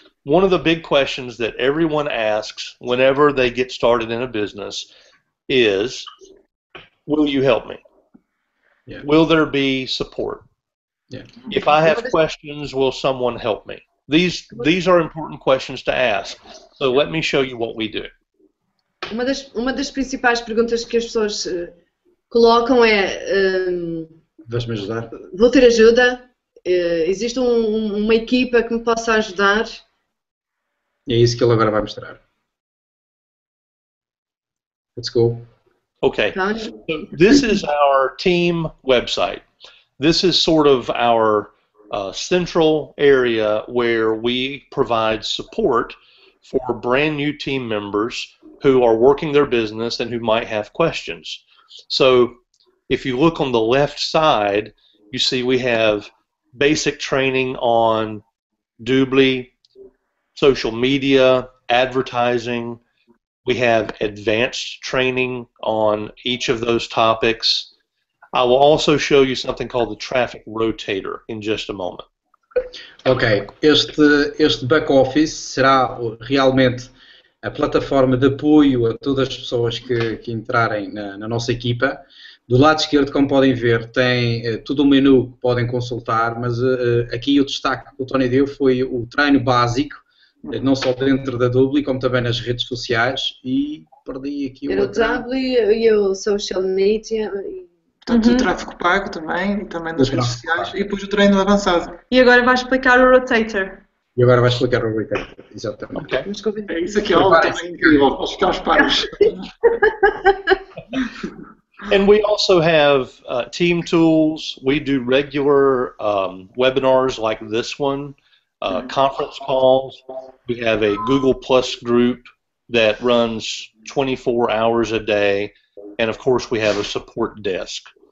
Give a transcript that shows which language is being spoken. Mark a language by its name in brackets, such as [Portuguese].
[English] One of the big questions that everyone asks whenever they get started in a business is, will you help me? Yeah. Will there be support? Yeah. If I have questions, will someone help me? These are important questions to ask. So let me show you what we do. [Portuguese] Uma das principais perguntas que as pessoas colocam é... Vais-me ajudar? Vou ter ajuda? Existe uma equipa que me possa ajudar? E é isso que ele agora vai mostrar. [English] Let's go. Okay. So this is our team website. This is sort of our central area where we provide support for brand new team members who are working their business and who might have questions. So if you look on the left side, you see we have basic training on Doobly, social media, advertising. We have advanced training on each of those topics. I will also show you something called the traffic rotator in just a moment. [Portuguese] Ok, este back office será realmente a plataforma de apoio a todas as pessoas que entrarem na nossa equipa. Do lado esquerdo, como podem ver, tem tudo um menu que podem consultar, mas aqui o destaque que o Tony deu foi o treino básico. Não só dentro da Doobly, como também nas redes sociais, e perdi aqui o Doobly e o social media. Portanto, o tráfego pago também, e também nas redes sociais, e depois o treino avançado. E agora vai explicar o rotator. E agora vai explicar o rotator, exatamente. [English] Okay. [Portuguese] Isso aqui é algo também incrível, posso ficar aos pares. [English] And we also have team tools, we do regular webinars like this one. Conference calls. We have a Google Plus group that runs 24 hours a day, and of course we have a support desk.